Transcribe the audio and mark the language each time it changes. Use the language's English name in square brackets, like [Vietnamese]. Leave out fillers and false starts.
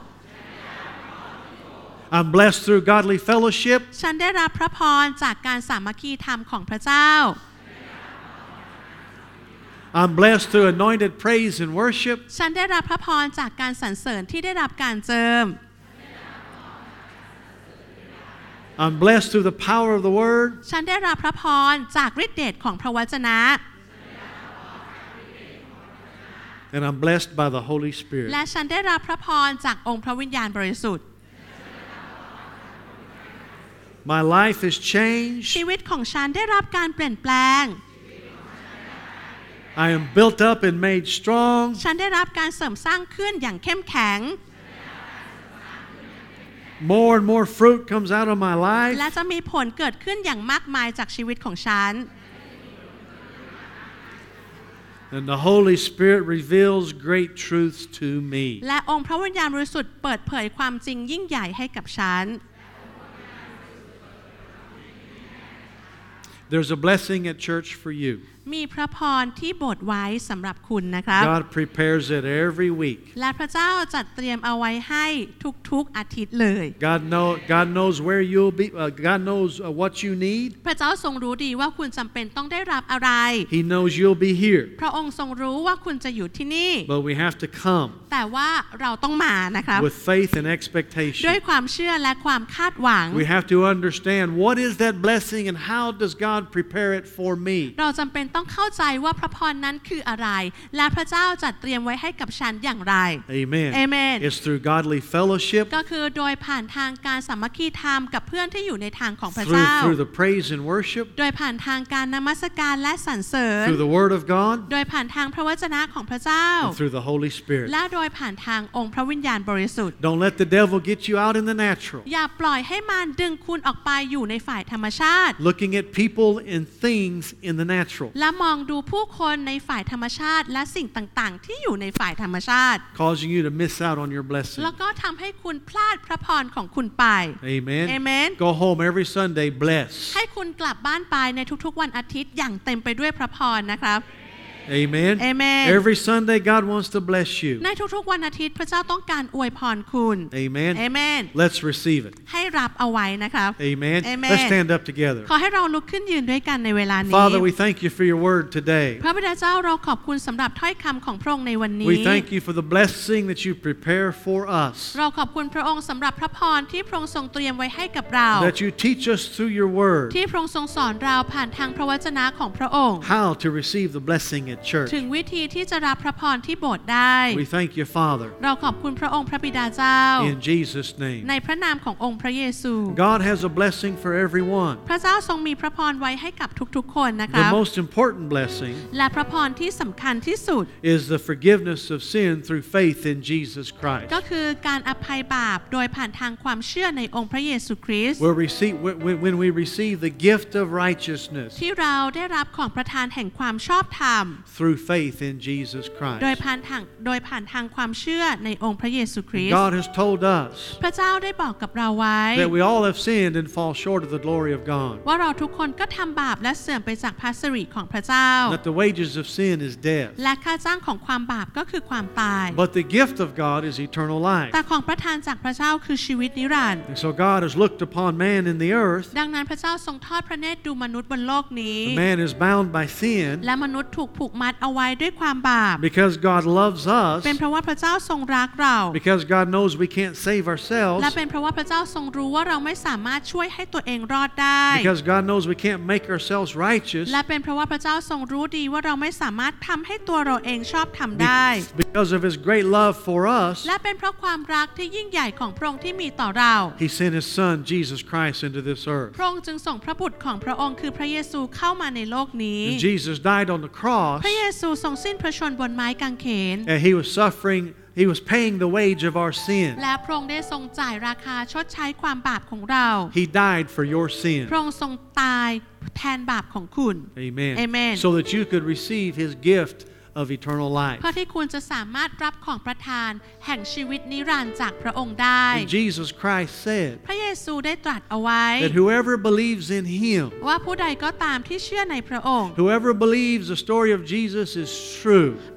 [English] I'm blessed through godly fellowship. [Thai] ฉันได้รับพระพรจากการสามัคคีธรรมของพระเจ้า [English] I'm blessed through anointed praise and worship. [Thai] ฉันได้รับพระพรจากการสรรเสริญที่ได้รับการเจิม [English] I'm blessed through the power of the word. [Thai] ฉันได้รับพระพรจากฤทธิ์เดชของพระวจนะ [English] And I'm blessed by the Holy Spirit. [Thai] และฉันได้รับพระพรจากองค์พระวิญญาณบริสุทธิ์ [English] My life is changed. [Thai] ชีวิตของฉันได้รับการเปลี่ยนแปลง [English] I am built up and made strong. [Thai] ฉันได้รับการเสริมสร้างขึ้นอย่างเข้มแข็ง [English] More and more fruit comes out of my life. [Thai] และจะมีผลเกิดขึ้นอย่างมากมายจากชีวิตของฉัน [English] And the Holy Spirit reveals great truths to me. [Thai] และองค์พระวิญญาณบริสุทธิ์เปิดเผยความจริงยิ่งใหญ่ให้กับฉัน [English] There's a blessing at church for you. [Thai] มีพระพรที่บดไว้สำหรับคุณนะครับ [English] God prepares it every week [Thai] และพระเจ้าจัดเตรียมเอาไว้ให้ทุกๆอาทิตย์เลย [English] God knows where you'll be God knows what you need [Thai] พระเจ้าทรงรู้ดีว่าคุณจำเป็นต้องได้รับอะไร [English] He knows you'll be here [Thai] พระองค์ทรงรู้ว่าคุณจะอยู่ที่นี่ [English] But we have to come [Thai] แต่ว่าเราต้องมานะครับ [English] With faith and expectation [Thai] ด้วยความเชื่อและความคาดหวัง [English] We have to understand what is that blessing and how does God prepare it for me [Thai] เราจำเป็นต้องเข้าใจว่าพระพรนั้นคืออะไรและพระเจ้าจัดเตรียมไว้ให้กับฉันอย่างไร [English] Amen Amen It's through godly fellowship [Thai] ก็คือโดยผ่านทางการสามัคคีธรรมกับเพื่อนที่อยู่ในทางของพระเจ้า [English] Through the praise and worship [Thai] โดยผ่านทางการนมัสการและสรรเสริญ [English] Through the word of God [Thai] โดยผ่านทางพระวจนะของพระเจ้า [English] Through the Holy Spirit [Thai] และโดยผ่านทางองค์พระวิญญาณบริสุทธิ์ [English] Don't let the devil get you out in the natural [Thai] อย่าปล่อยให้มารดึงคุณออกไปอยู่ในฝ่ายธรรมชาติ [English] Looking at people and things in the natural [Thai] และมองดูผู้คนในฝ่ายธรรมชาติและสิ่งต่างๆที่อยู่ในฝ่ายธรรมชาติ [English] causing you to miss out on your blessing [Thai] แล้วก็ทำให้คุณพลาดพระพรของคุณไป [English] Amen Amen Go home every Sunday blessed [Thai] ให้คุณกลับบ้านไปในทุกๆวันอาทิตย์อย่างเต็มไปด้วยพระพรนะครับ [English] Amen. Amen. Every Sunday, God wants to bless you. [Thai] ในทุกๆวันอาทิตย์พระเจ้าต้องการอวยพรคุณ [English] Amen. Amen. Let's receive it. [Thai] ให้รับเอาไว้นะครับ [English] Amen. Amen. Let's stand up together. [Thai] ขอให้เราลุกขึ้นยืนด้วยกันในเวลานี้ [English] Father, we thank you for your word today. [Thai] พระบิดาเจ้าเราขอบคุณสำหรับถ้อยคำของพระองค์ในวันนี้ [English] We thank you for the blessing that you prepare for us. [Thai] เราขอบคุณพระองค์สำหรับพระพรที่พระองค์ทรงเตรียมไว้ให้กับเรา [English] That you teach us through your word. [Thai] ที่พระองค์ทรงสอนเราผ่านทางพระวจนะของพระองค์ [English] How to receive the blessing. [Thai] ถึงวิธีที่จะรับพระพรที่โบสถ์ได้ [English] We thank you, Father. [Thai] เราขอบคุณพระองค์พระบิดาเจ้า [English] In Jesus name. [Thai] ในพระนามขององค์พระเยซู [English] God has a blessing for everyone. [Thai] พระเจ้าทรงมีพระพรไว้ให้กับทุกๆคนนะคะ [English] The most important blessing. [Thai] และพระพรที่สำคัญที่สุด [English] is the forgiveness of sin through faith in Jesus Christ. [Thai] ก็คือการอภัยบาปโดยผ่านทางความเชื่อในองค์พระเยซูคริสต์ [English] When we receive the gift of righteousness. [Thai] ที่เราได้รับของประทานแห่งความชอบธรรม [English] Through faith in Jesus Christ. [Thai] โดยผ่านทางความเชื่อในองค์พระเยซูคริสต์ [English] God has told us. [Thai] พระเจ้าได้บอกกับเราไว้ [English] That we all have sinned and fall short of the glory of God. [Thai] ว่าเราทุกคนก็ทำบาปและเสื่อมไปจากพระสิริของพระเจ้า [English] That the wages of sin is death. [Thai] และค่าจ้างของความบาปก็คือความตาย [English] But the gift of God is eternal life. [Thai] แต่ของประทานจากพระเจ้าคือชีวิตนิรันดร์ [English] So God has looked upon man in the earth. [Thai] ดังนั้นพระเจ้าทรงทอดพระเนตรดูมนุษย์บนโลกนี้ [English] Man is bound by sin. [Thai] และมนุษย์ถูกผูกมัดเอาไว้ด้วยความบาป [English] Because God loves us [Thai] เป็นเพราะว่าพระเจ้าทรงรักเรา [English] Because God knows we can't save ourselves [Thai] และเป็นเพราะว่าพระเจ้าทรงรู้ว่าเราไม่สามารถช่วยให้ตัวเองรอดได้ [English] Because God knows we can't make ourselves righteous [Thai] และเป็นเพราะว่าพระเจ้าทรงรู้ดีว่าเราไม่สามารถทำให้ตัวเราเองชอบธรรมได้ [English] Because of His great love for us [Thai] และเป็นเพราะความรักที่ยิ่งใหญ่ของพระองค์ที่มีต่อเรา [English] He sent His Son Jesus Christ into this earth [Thai] พระองค์จึงส่งพระบุตรของพระองค์คือพระเยซูเข้ามาในโลกนี้ [English] Jesus died on the cross [Thai] พระเยซูทรงสิ้นพระชนบนไม้กางเขน [English] And he was suffering he was paying the wage of our sin [Thai] และพระองค์ได้ทรงจ่ายราคาชดใช้ความบาปของเรา [English] He died for your sin [Thai] พระองค์ทรงตายแทนบาปของคุณ [English] Amen Amen so that you could receive his gift of eternal life [Thai] เพื่อที่คุณจะสามารถรับของประทานแห่งชีวิตนิรันดร์จากพระองค์ได้ [English] Jesus Christ said [Thai] พระเยซูได้ตรัสเอาไว้ [English] that whoever believes in him [Thai] ว่าผู้ใดก็ตามที่เชื่อในพระองค์ [English] whoever believes the story of Jesus is true